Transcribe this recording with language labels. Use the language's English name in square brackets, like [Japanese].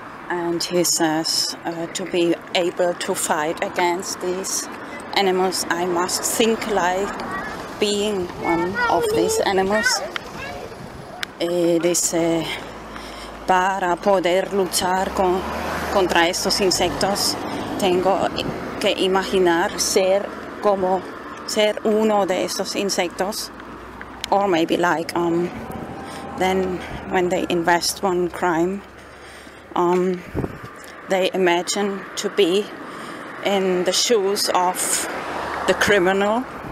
[English] And he says, to be able to fight against these animals, I must think like being one of these animals. [Spanish] Y dice, para poder luchar contra estos insectos, tengo que imaginar ser uno de estos insectos. [English] Or maybe like, then when they invest one crime, they imagine to be in the shoes of the criminal.